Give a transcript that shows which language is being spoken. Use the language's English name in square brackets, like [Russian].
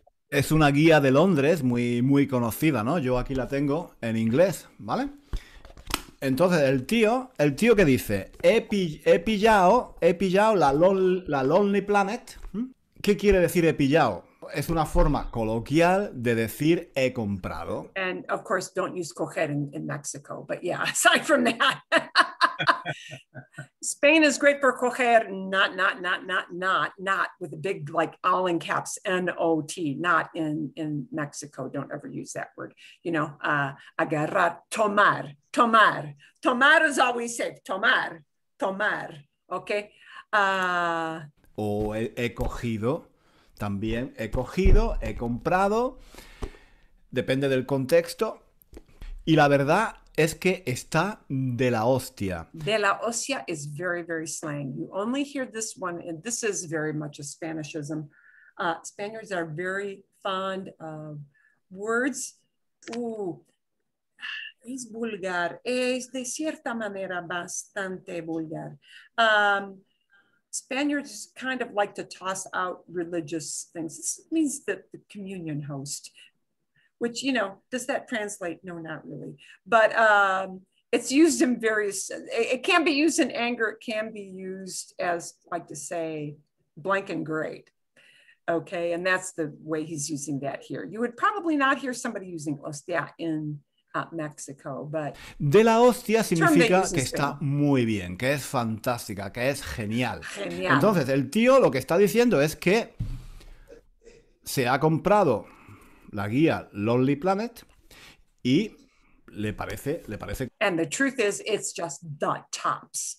[Spanish] Es una guía de Londres muy, muy conocida, ¿no? Yo aquí la tengo en inglés, ¿vale? Entonces, el tío que dice, he pillado la Lonely Planet. ¿Qué quiere decir he pillado? Es una forma coloquial de decir he comprado. [English] And of course, don't use coger in Mexico, but yeah, aside from that. Spain is great for coger, not with a big, like, all in caps, N-O-T, not in Mexico. Don't ever use that word. You know, agarrar, tomar. Tomar is always safe. Tomar. Okay. [Spanish] He cogido. También he cogido, he comprado. Depende del contexto. Y la verdad es que está de la hostia. [English] De la hostia is very, very slang. You only hear this one, and this is very much a Spanishism. Spaniards are very fond of words. [Spanish] Ooh, es vulgar. Es de cierta manera bastante vulgar. [English] Spaniards kind of like to toss out religious things. This means that the communion host, which, you know, does that translate? No, not really. But it's used in various, it can be used in anger. It can be used as, like to say, blank and great. Okay, and that's the way he's using that here. You would probably not hear somebody using hostia in Mexico, but. [Spanish] De la hostia significa que está muy bien, que es fantástica, que es genial. Genial. Entonces, el tío lo que está diciendo es que se ha comprado la guía Lonely Planet y le parece. [English] And the truth is, it's just the tops.